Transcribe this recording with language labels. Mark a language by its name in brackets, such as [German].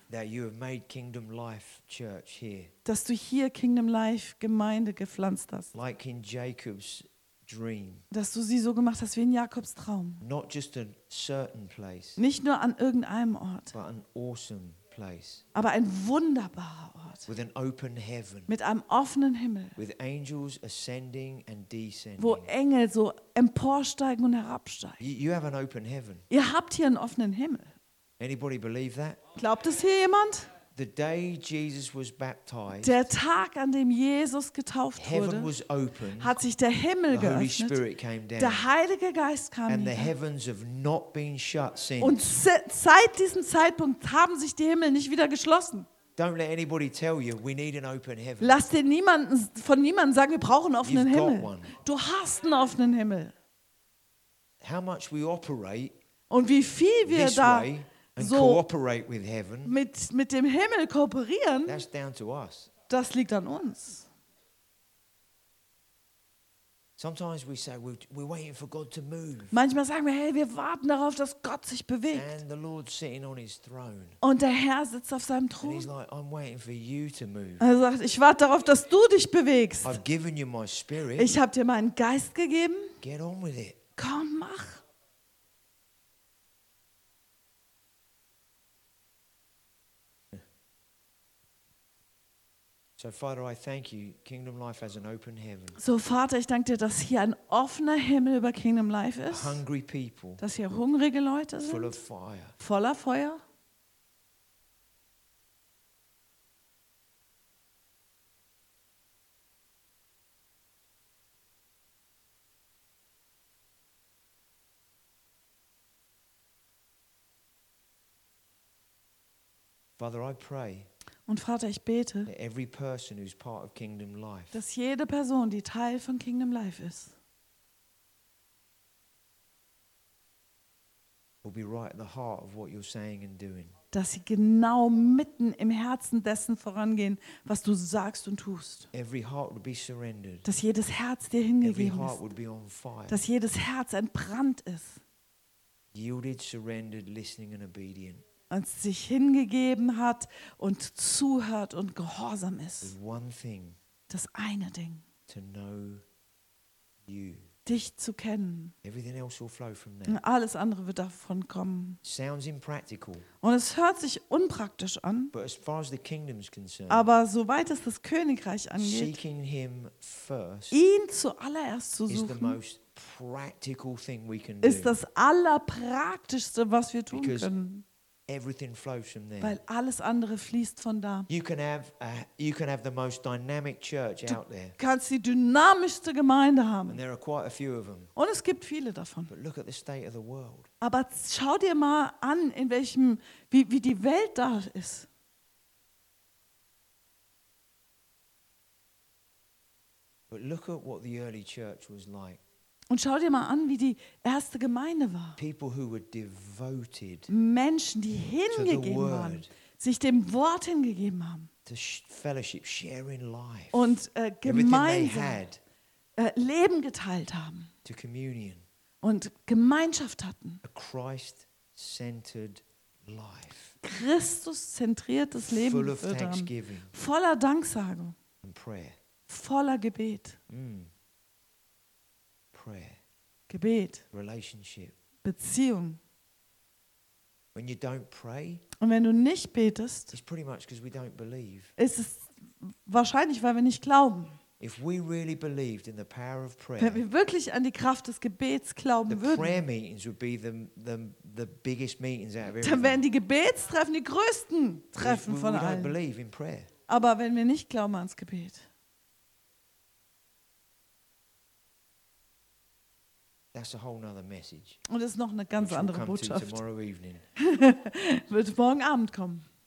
[English] that you have made Kingdom Life Church here. [German] Dass du hier Kingdom Life Gemeinde gepflanzt hast. [English] Like in Jacob's dream. [German] Dass du sie so gemacht hast wie in Jakobs Traum. [English] Not just a certain place, [German] nicht nur an irgendeinem Ort, [English] but an awesome place. [German] Aber ein wunderbarer Ort. [English] With an open heaven. [German] Mit einem offenen Himmel. [English] With angels ascending and descending. [German] Wo Engel so emporsteigen und herabsteigen. [English] You have an open heaven. [German] Ihr habt hier einen offenen Himmel. [English] Anybody believe that? [German] Glaubt es hier jemand? [English] The day Jesus was baptized, [German] der Tag, an dem Jesus getauft [English] heaven [German] wurde, [English] was open, [German] hat sich der Himmel [English] the [German] geöffnet. [English] Holy Spirit came down, [German] der Heilige Geist kam [English] and [German] hier. [English] The heavens have not been shut since. [German] Und seit diesem Zeitpunkt haben sich die Himmel nicht wieder geschlossen. [English] Don't let anybody tell you, we need an open heaven. [German] Lass dir niemanden, von niemandem sagen, wir brauchen einen offenen [English] You've [German] Himmel. [English] Got one. [German] Du hast einen offenen Himmel. [English] How much we operate [German] und wie viel wir da [English] way, and [German] so [English] cooperate with heaven, [German] mit dem Himmel kooperieren, [English] that's down to us. [German] Das liegt an uns. [English] Sometimes we say we're waiting for God to move. [German] Manchmal sagen wir, hey, wir warten darauf, dass Gott sich bewegt. [English] And the Lord's sitting on his throne. [German] Und der Herr sitzt auf seinem Thron. [English] And he's like, I'm waiting for you to move. [German] Er sagt, ich warte darauf, dass du dich bewegst. [English] I've given you my spirit. [German] Ich habe dir meinen Geist gegeben. [English] Get on with it. [German] Komm, mach. [English] So Father, I thank you. Kingdom Life has an open heaven. [German] So Vater, ich danke dir, dass hier ein offener Himmel über Kingdom Life ist. [English] Hungry people. [German] Dass hier hungrige Leute sind. [English] Full of fire. [German] Voller Feuer. [English] Father, I pray. [German] Und Vater, ich bete, [English] every person who's part of Kingdom Life, [German] dass jede Person, die Teil von Kingdom Life ist, [English] will be right at the heart of what you're saying and doing. [German] Dass sie genau mitten im Herzen dessen vorangehen, was du sagst und tust. [English] Every heart would be surrendered. [German] Dass jedes Herz dir hingegeben [English] every heart [German] ist. [English] Would be on fire. [German] Dass jedes Herz entbrannt ist. [English] Yielded, surrendered, listening and obedient. [German] Und sich hingegeben hat und zuhört und gehorsam ist. [English] One thing, [German] das eine Ding. [English] To know you. [German] Dich zu kennen. [English] Everything else will flow from there. [German] Und alles andere wird davon kommen. [English] Sounds impractical. [German] Und es hört sich unpraktisch an. [English] But as far as the kingdom's concerned, [German] aber soweit es das Königreich angeht, [English] seeking him first, [German] ihn zuallererst zu suchen, [English] is the most practical thing we can [German] ist [English] do. [German] Das Allerpraktischste, was wir tun [English] Because [German] können. [English] Everything flows from there. [German] Weil alles andere fließt von da. [English] You can have the most dynamic church [German] du [English] out there. [German] Du kannst die dynamischste Gemeinde haben. [English] And there are quite a few of them. [German] Und es gibt viele davon. [English] But look at the state of the world. [German] Aber schau dir mal an, in welchem wie die Welt da ist. [English] But look at what the early church was like. [German] Und schau dir mal an, wie die erste Gemeinde war. [English] People who were devoted, [German] Menschen, die hingegeben waren, sich dem Wort hingegeben haben. [English] To fellowship, sharing life, [German] und gemeinsam Leben geteilt haben. [English] To communion, [German] und Gemeinschaft hatten. [English] A Christ-centered life, [German] Christus-zentriertes Leben. [English] Full of thanksgiving, [German] voller Danksagung. [English] And prayer, [German] voller Gebet. [English] Prayer, [German] Gebet, [English] relationship, [German] Beziehung. [English] When you don't pray, [German] und wenn du nicht betest, [English] it's pretty much because we don't believe. [German] Ist es wahrscheinlich, weil wir nicht glauben. [English] If we really believed in the power of prayer, [German] wenn wir wirklich an die Kraft des Gebets glauben würden, [English] the prayer meetings would be the biggest meetings out of everything. [German] Dann wären die Gebetstreffen die größten Treffen von allen. [English] We don't believe in prayer. [German] Aber wenn wir nicht glauben ans Gebet. [English] That's a whole nother message. [German] Und das ist noch eine ganz andere Botschaft. [English] Tomorrow evening. [German] Wird morgen Abend kommen.